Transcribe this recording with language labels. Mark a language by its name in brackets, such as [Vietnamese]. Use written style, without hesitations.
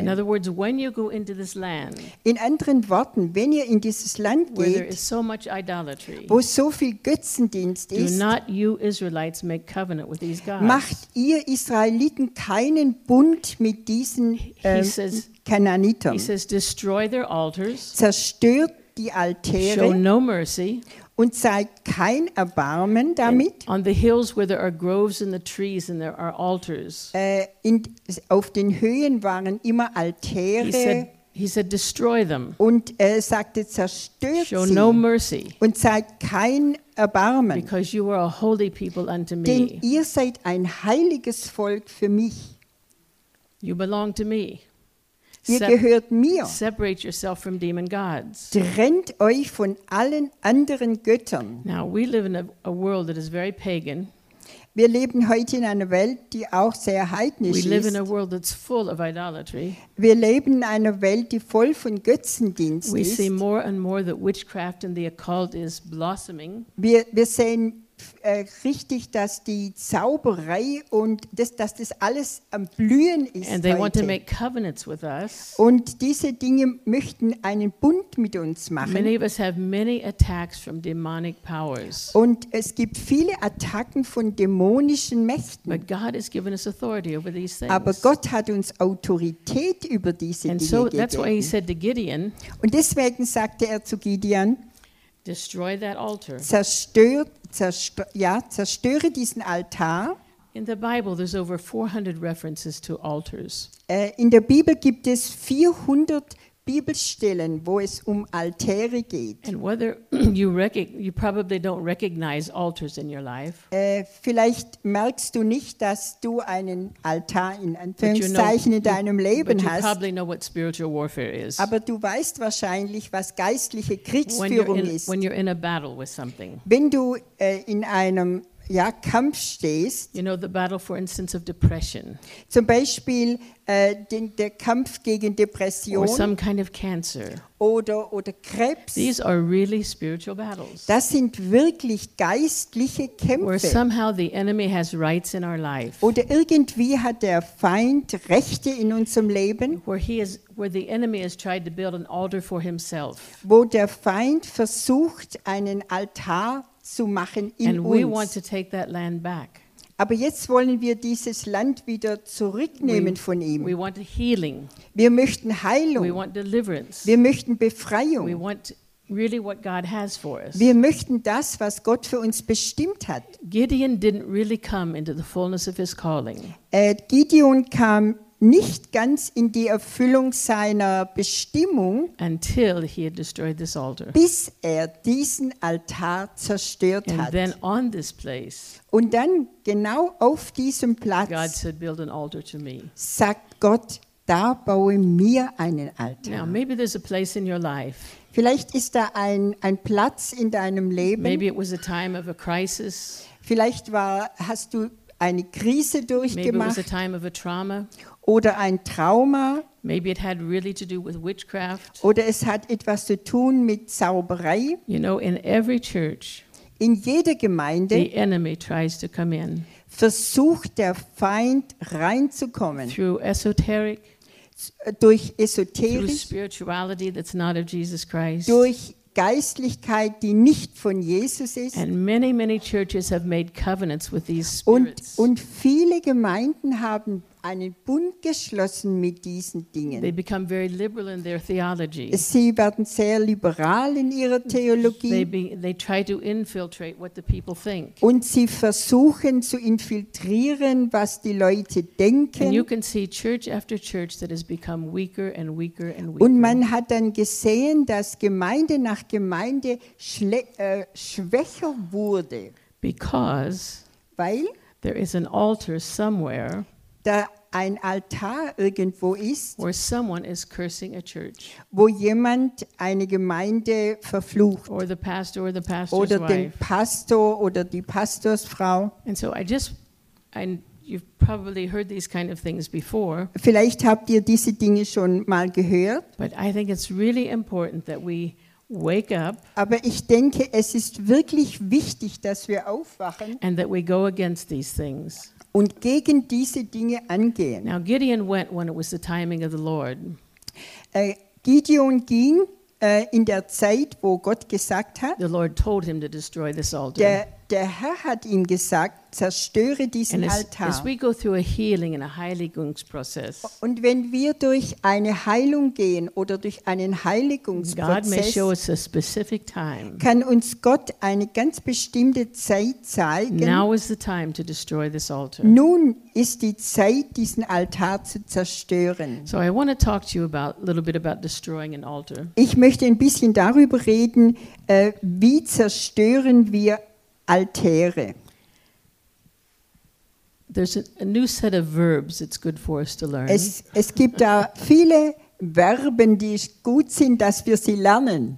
[English] In other words, when you go into this land, [German] in anderen Worten, wenn ihr in dieses Land geht, [English] where there is so much idolatry, [German] wo so viel Götzendienst ist, [English] do not you Israelites make covenant with these gods. [German] Macht ihr Israeliten keinen Bund mit diesen Kanaanitern. [English] He says, destroy their altars. [German] Zerstört die Altäre. [English] Show no mercy. [German] Und zeigt kein Erbarmen damit. [English] On the hills where there are groves and the trees and there are altars. [German] Auf den Höhen waren immer Altäre. [English] He said, destroy them. [German] Und er sagte, zerstört [English] show [German] sie. [English] No mercy. [German] Und zeigt kein Erbarmen. [English] Because you are a holy people unto me. [German] Denn ihr seid ein heiliges Volk für mich. [English] You belong to me. [German] Ihr gehört mir. [English] Separate yourself from demon gods. [German] Trennt euch von allen anderen Göttern. [English] Now we live in a world that is very pagan. [German] Wir leben heute in einer Welt, die auch sehr heidnisch ist. [English] We live in a world that's full of idolatry. [German] Wir leben in einer Welt, die voll von Götzendienst ist. [English] We see more and more that witchcraft and the occult is blossoming. [German] Wir sehen richtig, dass die Zauberei und dass das alles am Blühen ist. [English] And they [German] heute. [English] Want to make covenants with us. [German] Und diese Dinge möchten einen Bund mit uns machen. [English] Many of us have many attacks from demonic powers. [German] Und es gibt viele Attacken von dämonischen Mächten. [English] But God has given us authority over these things. [German] Aber Gott hat uns Autorität über diese [English] and [German] Dinge [English] so, [German] gegeben. [English] That's why he said to Gideon, [German] und deswegen sagte er zu Gideon, [English] destroy that altar. [German] Zerstöre diesen Altar. [English] In the Bible there's over 400 references to altars. [German] In der Bibel gibt es 400 Bibelstellen, wo es um Altäre geht. [English] And whether you probably don't recognize altars in your life. [German] Vielleicht merkst du nicht, dass du einen Altar in Anführungszeichen in deinem Leben [English] but you [German] hast. [English] You probably know what spiritual warfare is. [German] Aber du weißt wahrscheinlich, was geistliche Kriegsführung ist. [English] When you're in a battle with something. [German] Wenn du in einem Kampf stehst. [English] You know the battle, for instance, of depression. [German] Zum Beispiel der Kampf gegen Depression. [English] Or some kind of cancer. [German] Oder Krebs. [English] These are really spiritual battles. [German] Das sind wirklich geistliche Kämpfe. [English] Where somehow the enemy has rights in our life. [German] Oder irgendwie hat der Feind Rechte in unserem Leben. [English] Where the enemy has tried to build an altar for himself. [German] Wo der Feind versucht, einen Altar zu machen in [English] and we [German] uns. [English] Want to take that land back. [German] Aber jetzt wollen wir dieses Land wieder zurücknehmen von ihm. [English] We want healing. [German] Wir möchten Heilung. [English] We want deliverance. [German] Wir möchten Befreiung. [English] We want really what God has for us. [German] Wir möchten das, was Gott für uns bestimmt hat. [English] Gideon didn't really come into the fullness of his calling. [German] Gideon kam nicht ganz in die Erfüllung seiner Bestimmung, [English] until he had destroyed this altar. [German] Bis er diesen Altar zerstört [English] and [German] hat. [English] Then on this place, [German] und dann genau auf diesem Platz [English] God said, build an altar to me. [German] Sagt Gott, da baue mir einen Altar. [English] Now, maybe there's a place in your life. [German] Vielleicht ist da ein Platz in deinem Leben. [English] Maybe it was a time of a crisis. [German] Vielleicht hast du eine Krise durchgemacht. [English] Maybe it was a time of a trauma. [German] Oder ein Trauma. [English] Maybe it had really to do with witchcraft. [German] Oder es hat etwas zu tun mit Zauberei. [English] You know, in every church, [German] in jeder Gemeinde, [English] the enemy tries to come in. [German] versucht der Feind reinzukommen. [English] Through esoteric, [German] durch esoterisch, [English] through spirituality that's not of Jesus Christ, [German] durch Geistlichkeit, die nicht von Jesus ist. [English] And many, many churches have made covenants with these spirits. [German] Und viele Gemeinden haben einen Bund geschlossen mit diesen Dingen. [English] They become very liberal in their theology. [German] Sie werden sehr liberal in ihrer Theologie. [English] They try to infiltrate what the people think. [German] Und sie versuchen zu infiltrieren, was die Leute denken. [English] And you can see church after church that has become weaker and weaker and weaker. [German] Und man hat dann gesehen, dass Gemeinde nach Gemeinde schwächer wurde. [English] Because [German] weil [English] there is an altar somewhere, [German] da ein Altar irgendwo ist, [English] where someone is cursing a church, [German] wo jemand eine Gemeinde verflucht, [English] or the pastor or the pastor's [German] oder [English] wife, [German] den Pastor oder die Pastorsfrau. [English] And so I just, and you've probably heard these kind of things before. [German] Vielleicht habt ihr diese Dinge schon mal gehört. [English] But I think it's really important that we wake up. [German] Aber ich denke, es ist wirklich wichtig, dass wir aufwachen. [English] And that we go against these things. [German] Und gegen diese Dinge angehen. [English] Now Gideon went when it was the timing of the Lord. [German] Gideon ging in der Zeit, wo Gott gesagt hat. [English] The Lord told him to destroy this altar. [German] Der Herr hat ihm gesagt, zerstöre diesen [English] and [German] Altar. [English] As we go through a healing and a Heiligungsprozess. [German] Und wenn wir durch eine Heilung gehen oder durch einen Heiligungsprozess, [English] God may show us a specific time. [German] Kann uns Gott eine ganz bestimmte Zeit zeigen. [English] Now is the time to destroy this altar. [German] Nun ist die Zeit, diesen Altar zu zerstören. [English] So I want to talk to you about a little bit about destroying an altar. [German] Ich möchte ein bisschen darüber reden, wie zerstören wir Altäre. [English] There's a new set of verbs it's good for us to learn. [German] Es gibt da viele Verben, die gut sind, dass wir sie lernen.